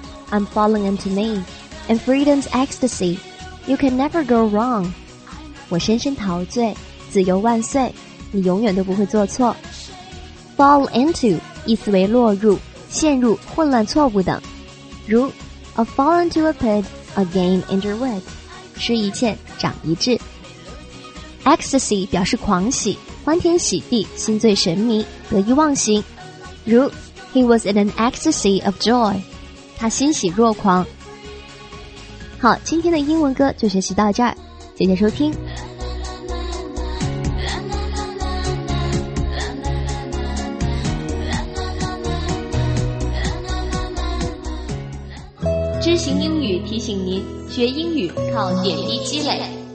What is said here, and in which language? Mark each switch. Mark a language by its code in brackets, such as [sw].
[en] I'm falling into me, and freedom's ecstasy. You can never go wrong. [zh] 我深深陶醉，自由万岁，你永远都不会做错。 Fall into 意思为落入、陷入、混乱、错误等。如 [en] I've fallen into a pit, a game under wit, [zh] 吃一堑长一智。 Ecstasy 表示狂喜，欢天喜地，心醉神迷，得意忘形。如 [en] He was in an ecstasy of joy, [zh] 他欣喜若狂。好，今天的英文歌就学习到这儿，谢谢收听。知行英语提醒您，学英语靠点滴积累。